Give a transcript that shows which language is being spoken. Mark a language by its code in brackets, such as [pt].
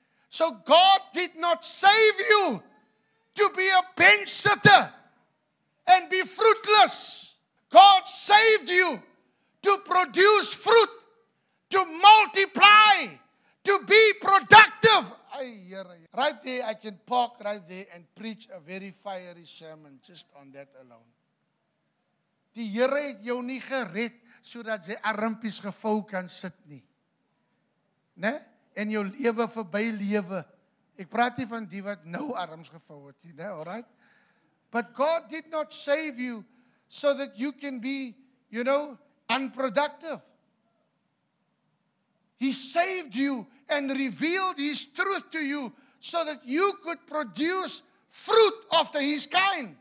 [en] So God did not save you to be a bench sitter and be fruitless. God saved you to produce fruit, to multiply, to be productive. Right there, I can park right there and preach a very fiery sermon just on that alone. [af] Die Here het jou nie gered sodat jy armpies gevou kan sit nie. Né? En jou lewe verby lewe. Ek praat nie van die wat nou arms gevou het nie, [en] all right? But God did not save you so that you can be, you know, unproductive. He saved you and revealed his truth to you so that you could produce fruit after his kind.